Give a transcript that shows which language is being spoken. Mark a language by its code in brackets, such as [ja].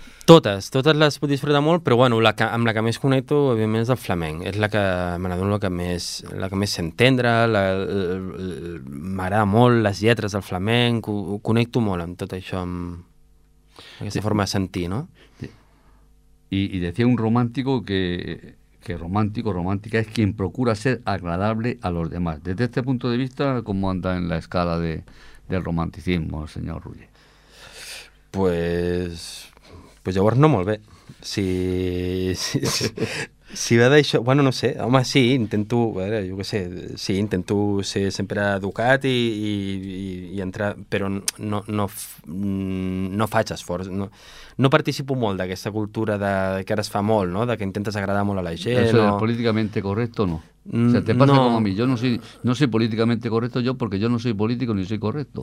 [ca] Totes les puc disfrutar molt, però bueno, amb la que més connecto, evidentment, és el flamenc. És la que m'adono la que més s'entendre, m'agrada molt les lletres del flamenc, ho connecto molt amb tot això, amb aquesta forma de sentir, no? [es] I decía un romántico que romántico, romántica, es quien procura ser agradable a los demás. Desde este punto de vista, ¿cómo anda en la escala del romanticismo, señor Rulli? [ca] Pues llavors no molt bé. Si va d'això... Bueno, no sé, home, sí, intento... A veure, jo què sé, sí, intento ser sempre educat i entrar... Però no faig esforç. No participo molt d'aquesta cultura que ara es fa molt, no? De que intentes agradar molt a la gent. Això és políticament correcte o no? [es] O sea, te pasa no. como a mí. Yo no soy políticamente correcto yo porque yo no soy político ni soy correcto.